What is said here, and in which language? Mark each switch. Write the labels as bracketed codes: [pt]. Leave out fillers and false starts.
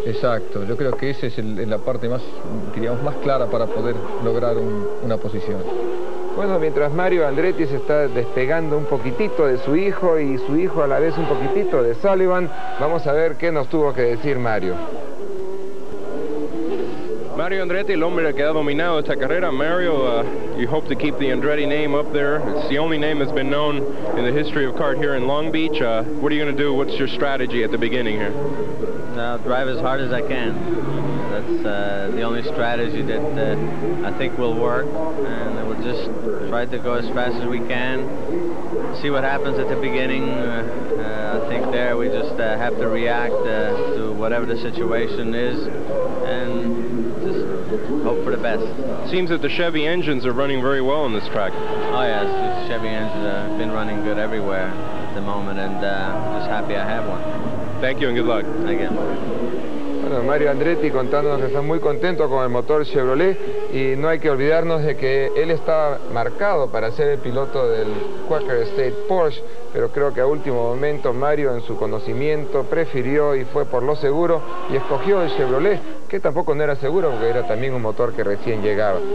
[es] Exacto, yo creo que esa es la parte más, diríamos, más clara para poder lograr una posición. Bueno, mientras Mario Andretti se está despegando un poquitito de su hijo y su hijo a la vez un poquitito de Sullivan, vamos a ver qué nos tuvo que decir Mario. Mario Andretti, el hombre que ha dominado esta carrera. [en] Mario, you hope to keep the Andretti name up there. It's the only name that's been known in the history of kart here in Long Beach. What are you going to do? What's your strategy at the beginning here? I'll drive as hard as I can. That's the only strategy that I think will work. And we'll just try to go as fast as we can. See what happens at the beginning. I think there we just have to react to whatever the situation is. And just hope for the best. Seems that the Chevy engines are running very well on this track. Oh yes, the Chevy engines have been running good everywhere at the moment, and just happy I have one. Thank you and good luck. Thank you. [es] Bueno, Mario Andretti contándonos que está muy contento con el motor Chevrolet, y no hay que olvidarnos de que él estaba marcado para ser el piloto del Quaker State Porsche, pero creo que a último momento Mario, en su conocimiento, prefirió y fue por lo seguro y escogió el Chevrolet, que tampoco no era seguro porque era también un motor que recién llegaba.